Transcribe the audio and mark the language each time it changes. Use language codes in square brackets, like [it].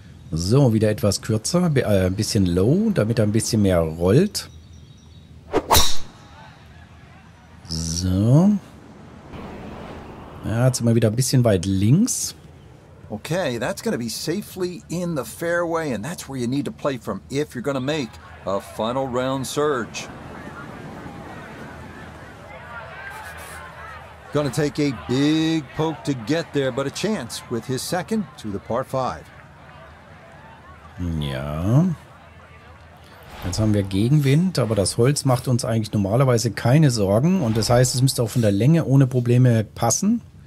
[de] So, wieder etwas kürzer, ein bisschen low, damit er ein bisschen mehr rollt. So. Ja, jetzt mal wieder ein bisschen weit links. [en] Okay, that's going to be safely in the fairway, and that's where you need to play from if you're going to make a final round surge. Going to take a big poke to get there, but a chance with his second to the par 5. [de] Ja. Jetzt haben wir Gegenwind, aber das Holz macht uns eigentlich normalerweise keine Sorgen. Und das heißt, es müsste auch von der Länge ohne Probleme passen.